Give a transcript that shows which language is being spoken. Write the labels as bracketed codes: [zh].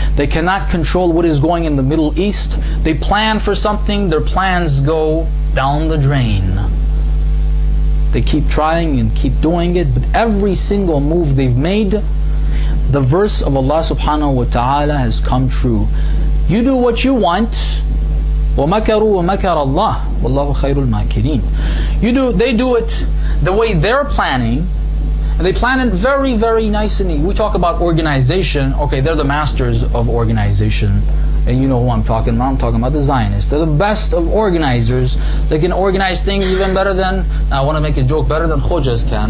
[en] They cannot control what is going in the Middle East. They plan for something, their plans go down the drain. They keep trying and keep doing it, but every single move they've made, the verse of Allah subhanahu wa ta'ala has come true. You do what you want, [ar] وَمَكَرُوا وَمَكَرَ اللَّهُ وَاللَّهُ خَيْرُ الْمَاكِرِينَ. [en] You do, they do it the way they're planning. And they plan it very, very nice and neat. We talk about organization. Okay, they're the masters of organization. And you know who I'm talking about. I'm talking about the Zionists. They're the best of organizers. They can organize things even better than... I want to make a joke, better than Khojas can.